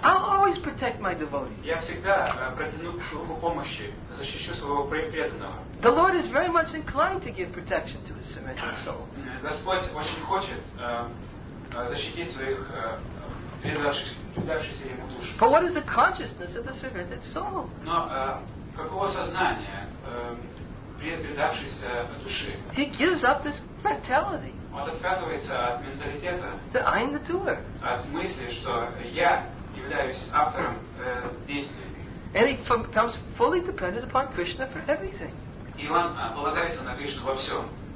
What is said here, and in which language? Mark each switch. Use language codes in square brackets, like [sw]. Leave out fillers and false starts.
[en] I'll always protect my devotee. [ru] Я всегда протяну руку помощи, защищу своего преданного. [en] The Lord is very much inclined to give protection to his surrendered soul. [ru] Господь очень хочет защитить своих предавшихся ему душу. [en] But what is the consciousness of the surrendered soul? [ru] Но каково сознание предавшейся души? [en] He gives up this mentality. [ru] Он отказывается от менталитета. [en] That I'm the doer. [ru] От мысли, что я являюсь автором действий. [en] And he becomes fully dependent upon Krishna for everything. [ru] И он полагается на Кришну во всем.